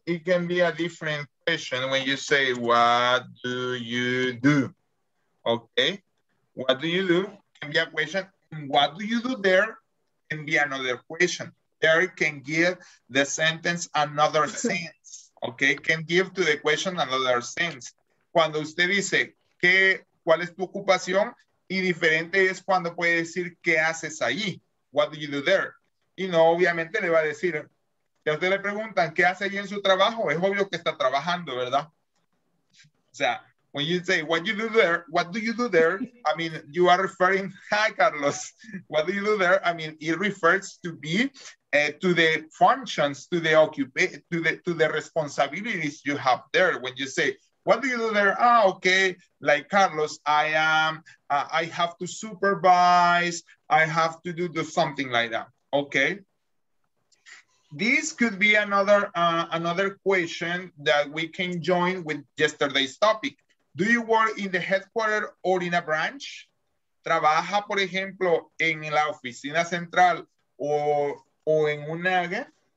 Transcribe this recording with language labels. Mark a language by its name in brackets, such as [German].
[English] It can be a different question when you say, what do you do? Okay, what do you do? Can be a question. What do you do there? Can be another question. There can give the sentence another sense. Okay, can give to the question another sense. [Spanish] Cuando usted dice, ¿cuál es tu ocupación? Y diferente es cuando puede decir, ¿qué haces ahí? [English] What do you do there? [Spanish] Y no, obviamente le va a decir, si a usted le preguntan, ¿qué hace allí en su trabajo? Es obvio que está trabajando, ¿verdad? O sea, [English] when you say, what do you do there? You are referring, hi, Carlos. What do you do there? It refers to be to the functions, to the to the responsibilities you have there. When you say, what do you do there? Ah, okay, like Carlos, I have to supervise. I have to do something like that, okay? This could be another question that we can join with yesterday's topic. Do you work in the headquarters or in a branch? [Spanish] ¿Trabaja, por ejemplo, en la oficina central o en una área?